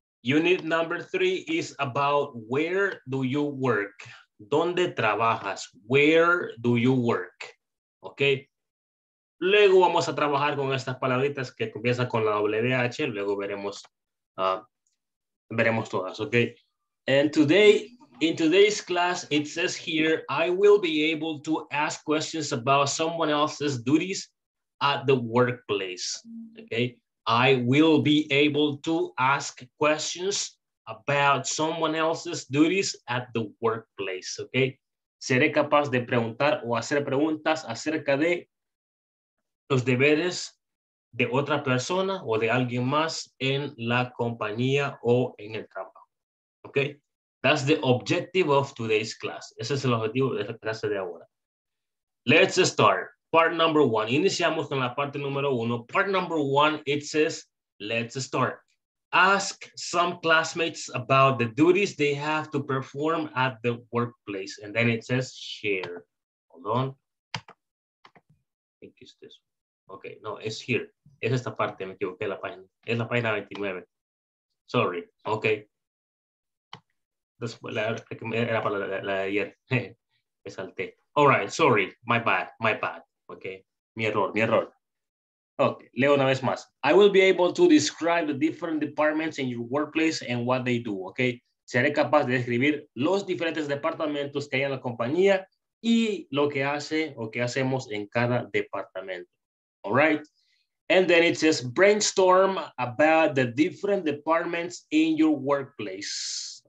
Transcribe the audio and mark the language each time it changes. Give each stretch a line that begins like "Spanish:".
English: Unit number 3 is about where do you work?
Spanish: ¿Dónde trabajas?
English: Where do you work? Okay.
Spanish: Luego vamos a trabajar con estas palabritas que comienza con la WH. Luego veremos veremos todas. Okay.
English: And today, in today's class, it says here, I will be able to ask questions about someone else's duties at the workplace, okay? I will be able to ask questions about someone else's duties at the workplace, okay?
Spanish: Seré capaz de preguntar o hacer preguntas acerca de los deberes de otra persona o de alguien más en la compañía o en el trabajo, okay?
English: That's the objective of today's class.
Spanish: Ese es el objetivo de la clase de ahora.
English: Let's start. Part number one.
Spanish: Iniciamos con la parte número uno.
English: Part number one, it says, let's start. Ask some classmates about the duties they have to perform at the workplace. And then it says share. Hold on. I think it's this one. Okay, no, it's here.
Spanish: Es esta parte, me equivoqué la página. Es la página 29.
English: Sorry,
Spanish: okay. Después, era para la de ayer. Me salté.
English: All right, sorry. My bad.
Spanish: Okay. Mi error. Okay. Leo una vez más.
English: I will be able to describe the different departments in your workplace and what they do. Okay.
Spanish: Seré capaz de describir los diferentes departamentos que hay en la compañía y lo que hace o que hacemos en cada departamento.
English: All right. And then it says brainstorm about the different departments in your workplace.